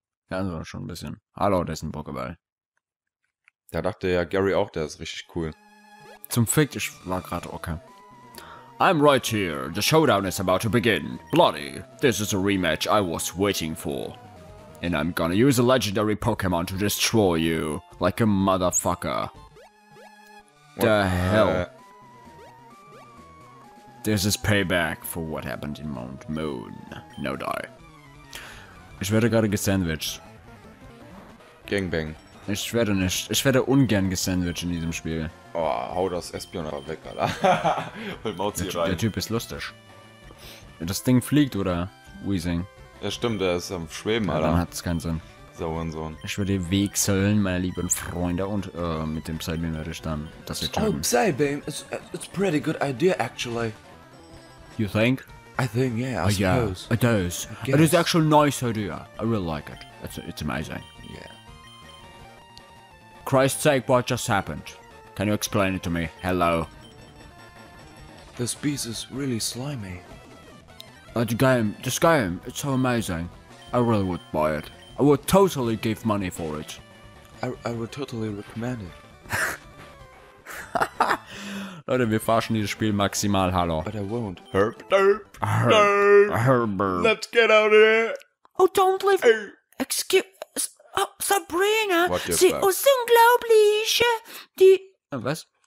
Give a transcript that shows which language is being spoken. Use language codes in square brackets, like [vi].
[de] Ja, das war schon ein bisschen. Hallo, dessen Pokéball. Da dachte ja Gary auch, der ist richtig cool. Zum Fick, ich war gerade okay. [en] I'm right here. The showdown is about to begin. Bloody, this is a rematch I was waiting for. And I'm gonna use a legendary Pokémon to destroy you, like a motherfucker. What the hell? This is payback for what happened in Mount Moon. No die. [de] Ich werde gerade gesandwiched. Gangbang. Ich werde ungern gesandwiched in diesem Spiel. Oh, hau das Espion aber weg, Alter. Hol Mauzi rein. Der Typ ist lustig. Das Ding fliegt, oder? Weezing. Ja, stimmt, der ist am Schweben, ja, Alter. Dann hat es keinen Sinn. Sauernsohn. Ich würde wechseln, meine lieben Freunde, und mit dem Psybeam werde ich dann das jetzt schaffen. [en] Oh, Psybeam, it's a pretty good idea, actually. You think? I think, yeah, I suppose. Yeah, it is. It is actually a nice idea. I really like it. It's amazing. Yeah. Christ's sake, what just happened? Can you explain it to me? Hello. This beast is really slimy. This game, it's so amazing. I really would buy it. I would totally give money for it. I would totally recommend it. [de] Leute, wir verarschen dieses Spiel maximal, hallo. [en] But I won't. Herb, derp, herb, derp. Herb, herb. Let's get out of here. Oh, don't leave. Hey. Excuse. Oh, Sabrina. [de] Sie ist unglaublich. Die. Was?